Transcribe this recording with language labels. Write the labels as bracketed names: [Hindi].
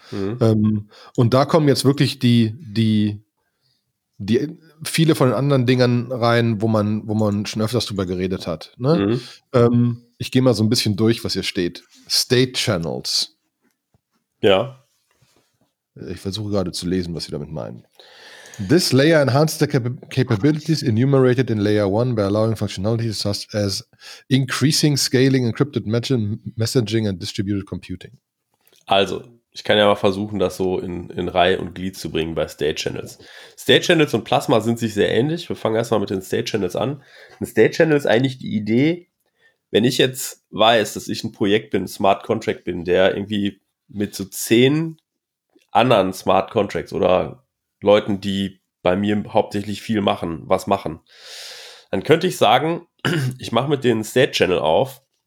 [German] Und da kommen jetzt wirklich die viele von den anderen Dingern rein, wo man schon öfters drüber geredet hat. Ne? Mhm. Ich gehe mal so ein bisschen durch, was hier steht. State Channels. Ja. Ich versuche gerade zu lesen, was sie damit meinen. [English] This layer enhanced the capabilities enumerated in layer 1 by allowing functionalities such as increasing scaling, encrypted messaging and distributed computing. [German] Also, ich kann ja mal versuchen, das so in Reihe und Glied zu bringen bei State Channels. State Channels und Plasma sind sich sehr ähnlich. Wir fangen erstmal mit den State Channels an. Ein State Channel ist eigentlich die Idee, wenn ich jetzt weiß, dass ich ein Projekt bin, ein Smart Contract bin, der irgendwie mit so 10 anderen Smart Contracts oder Leuten, die bei mir hauptsächlich viel machen, was machen, dann könnte ich sagen, ich mache mit denen State Channel auf